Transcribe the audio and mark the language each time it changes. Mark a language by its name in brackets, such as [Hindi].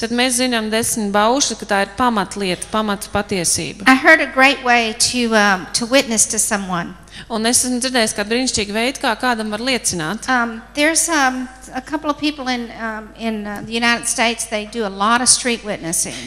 [Latvian] Tad mēs zinām desmit baušļus, ka tā ir pamatlieta, pamatpatiesība. [English] I heard a great way to witness to someone. [Latvian] Un es esmu dzirdējis kādu brīnišķīgu veidu, kā kādam var liecināt. [English] A couple of people in the United States, they do a lot of street witnessing.